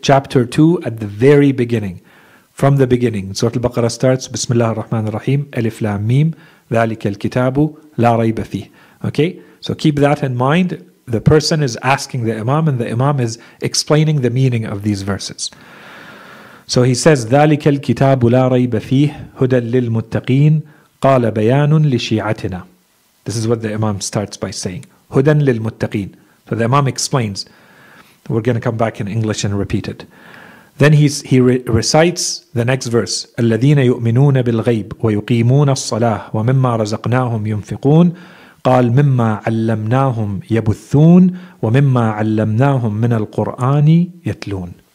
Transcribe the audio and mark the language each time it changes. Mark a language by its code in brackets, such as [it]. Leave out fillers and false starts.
[en] Chapter 2 at the very beginning, from the beginning. Surah Al-Baqarah starts, Bismillah ar-Rahman ar-Rahim, Alif Lam Mim, Thalika al-Kitabu, La Rayba Fih. Okay, so keep that in mind. The person is asking the Imam and the Imam is explaining the meaning of these verses. So he says, [ar] ذَلِكَ الْكِتَابُ لَا رَيْبَ فِيهِ هُدًى لِلْمُتَّقِينَ قَالَ بَيَانٌ لِشِيعَتِنَا. [en] This is what the Imam starts by saying. [ar] هُدًى لِلْمُتَّقِينَ. [en] So the Imam explains. We're going to come back in English and repeat it. Then he recites the next verse. [ar] الَّذِينَ يُؤْمِنُونَ بِالْغَيْبِ وَيُقِيمُونَ الصَّلَاةِ وَمِمَّا رَزَقْنَاهُمْ يُنْفِقُونَ قَالْ مِمَّا عَلَّمْنَاهُمْ يَبُثُّونَ وَمِمَّا عَلَّمْنَاهُمْ مِنَ الْقُرْآنِ يَتْلُونَ.